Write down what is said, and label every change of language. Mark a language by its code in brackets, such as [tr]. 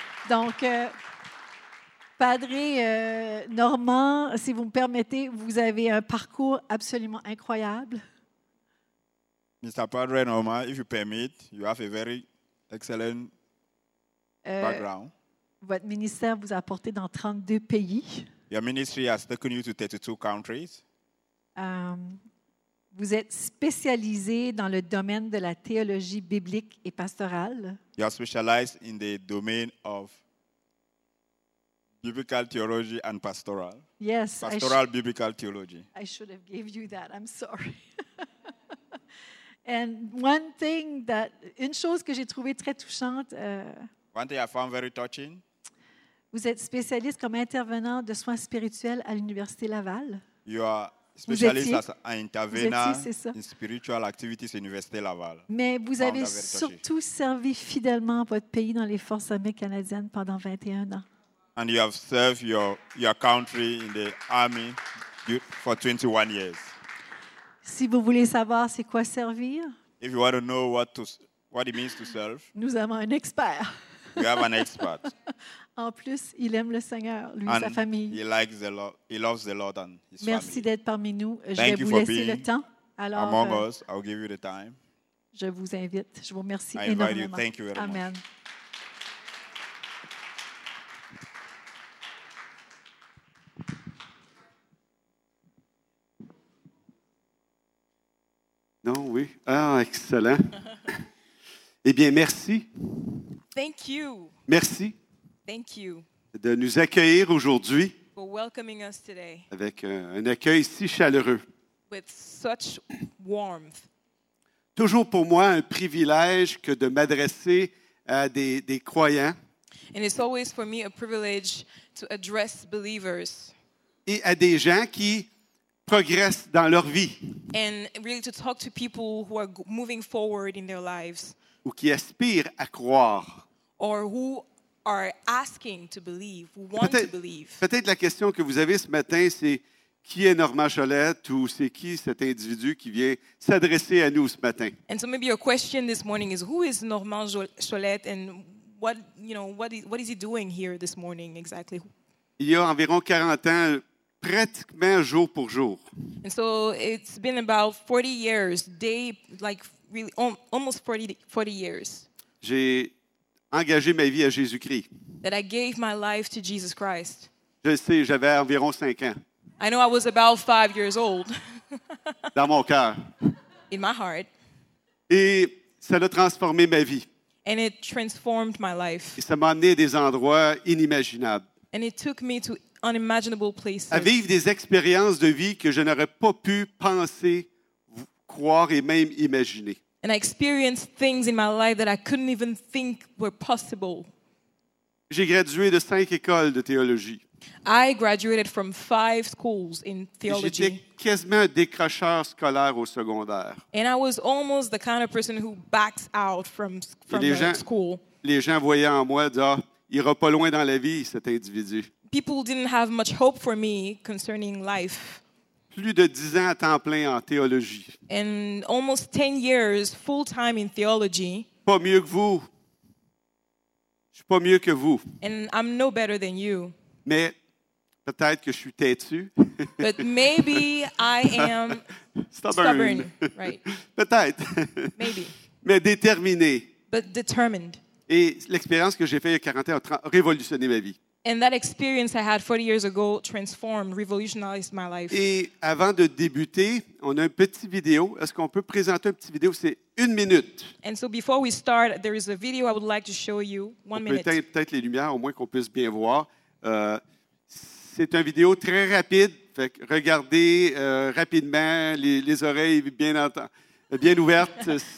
[fr] Donc, Padre Normand, si vous me permettez, vous avez un parcours absolument incroyable. [en] Mr. Padre Normand, if you permit, you have a very excellent background. [fr] Votre ministère vous a porté dans 32 pays. [en] Your ministry has taken you to 32 countries. [fr] Vous êtes spécialisé dans le domaine de la théologie biblique et pastorale. [en] You are specialized in the domain of biblical theology and pastoral. Yes, pastoral biblical theology. I should have gave you that. I'm sorry. And one thing that [fr] une chose que j'ai trouvé très touchante. [en] One thing I found very touching. [fr] Vous êtes spécialiste comme intervenant de soins spirituels à l'Université Laval. [en] You are specialist as an intervener in spiritual activities at Université Laval. [fr] Mais vous avez surtout servi fidèlement votre pays dans les forces armées canadiennes pendant 21 ans. [en] And you have served your country in the army for 21 years. [fr] Si vous voulez savoir c'est quoi servir, [en] if you want to know what it means to serve, [fr] nous avons un expert. [en] We have an expert. [fr] En plus, il aime le Seigneur, lui et sa famille. [en] He likes the Lord. He loves the Lord and his [fr] merci D'être parmi nous. Je vais vous laisser le temps. [en] Alors, among us, I'll give you the time. [fr] Je vous invite. Je vous remercie [en] I [fr] énormément. [en] Invite you. Thank you very Amen. Much. [fr] Non, oui. Ah, excellent. Eh bien, merci. [en] Thank you. [fr] Merci. [en] Thank you. [fr] De nous accueillir aujourd'hui. [en] For welcoming us today. [fr] Avec un accueil si chaleureux. [en] With such warmth. [fr] Toujours pour moi un privilège que de m'adresser à des croyants. [en] And it's always for me a privilege to address believers. [fr] Et à des gens qui progressent dans leur vie. [en] And really to talk to people who are moving forward in their lives. [fr] Ou qui aspirent à croire. [en] Or who are asking to believe, who want to believe. [fr] Peut-être la question que vous avez ce matin, c'est qui est Normand Cholette ou c'est qui cet individu qui vient s'adresser à nous ce matin. [en] And so maybe your question this morning is who is Normand Cholette and what, you know, what is he doing here this morning exactly? [fr] Il y a environ 40 ans, pratiquement jour pour jour. [en] And so it's been about 40 years, day like really almost 40 years. [fr] J'ai engagé ma vie à Jésus-Christ. [en] That I gave my life to Jesus Christ. [fr] Je sais, j'avais environ 5 ans. [en] I know I was about 5 years old. [fr] Dans mon cœur. [en] In my heart. [fr] Et ça a transformé ma vie. [en] And it transformed my life. [fr] Et ça m'a amené à des endroits inimaginables. [en] And it took me to unimaginable places. [fr] À vivre des expériences de vie que je n'aurais pas pu penser, croire et même imaginer. [en] And I experienced things in my life that I couldn't even think were possible. [fr] J'ai gradué de 5 écoles de théologie. [en] I graduated from 5 schools in theology. [fr] J'étais quasiment un décrocheur scolaire au secondaire. [en] And I was almost the kind of person who backs out from the [fr] gens, [en] school. [fr] Les gens voyaient en moi, disaient, ah, il ira pas loin dans la vie, cet individu. [en] People didn't have much hope for me concerning life. [fr] Plus de 10 ans à temps plein en théologie. [en] And almost 10 years full-time in theology. [fr] Pas mieux que vous. Je suis pas mieux que vous. [en] And I'm no better than you. [fr] Mais peut-être que je suis têtu. [en] But maybe I am stubborn. Right. [fr] Peut-être. [en] Maybe. [fr] Mais déterminé. [en] But determined. [fr] Et l'expérience que j'ai faite il y a 40 ans a révolutionné ma vie. [en] And that experience I had 40 years ago transformed, revolutionized my life. [fr] Et avant de débuter, on a un petit vidéo. Est-ce qu'on peut présenter un petit vidéo? C'est une minute. [en] And so before we start, there is a video I would like to show you. One on minute. [fr] Peut éteindre peut-être les lumières, au moins qu'on puisse bien voir. C'est une vidéo très rapide. Fait que regardez rapidement, les oreilles bien ouvertes.